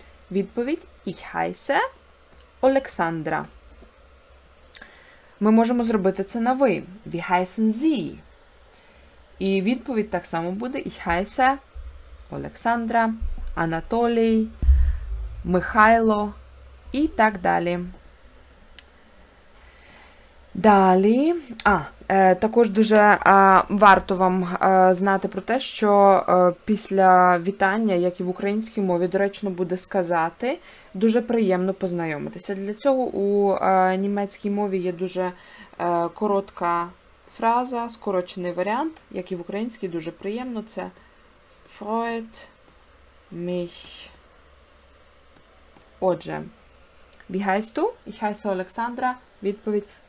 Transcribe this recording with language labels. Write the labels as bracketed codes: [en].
[uk] Відповідь [de] «Ich heiße Alexandra». [uk] Ми можемо зробити це на «ви». [de] «Wie heißen Sie?» [uk] І відповідь так само буде [de] «Ich heiße Alexandra», [uk] «Анатолій», «Михайло» і так далі. Далі, також дуже варто вам знати про те, що після вітання, як і в українській мові, доречно буде сказати, дуже приємно познайомитися. Для цього у німецькій мові є дуже коротка фраза, скорочений варіант, як і в українській, дуже приємно, це [de] «Freut mich». Отже, «Wie heißt du?» «Ich heiße Alexandra». [uk] Відповідь [de] «Freut mich».